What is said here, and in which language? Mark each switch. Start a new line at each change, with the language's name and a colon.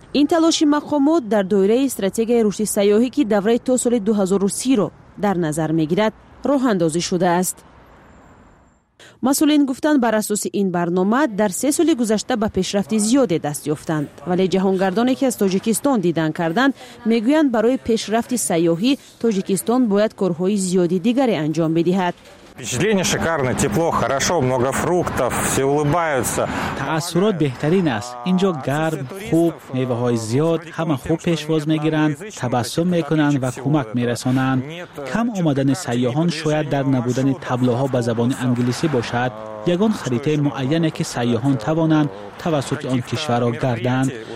Persian: این تلاش مقامات در دایره استراتژی رشد سیاحی که دوره تا سال 2030 را در نظر میگیرد راه اندازی شده است. مسئولین گفتند بر اساس این برنامه در 3 سال گذشته به پیشرفت زیاد دست یافتند، ولی جهانگردانی که از تاجیکستان دیدن کردند میگویند برای پیشرفت سیاحی تاجیکستان باید کارهای زیادی دیگری انجام بدهد.
Russian: впечатление шикарное, тепло, хорошо, много фруктов, все улыбаются.
Persian: تأثیرات بهترین است. اینجا گرم، خوب، میوه‌های زیاد، همه خوب پیشواز می‌گیرند، تبسم می‌کنند و کمک می‌رسانند. کم آمدن سیاحان شاید در نبودن تبلیغات به زبان انگلیسی باشد. یگان خریده معینه که سیاحان توانند توسط آن کشور را گردند.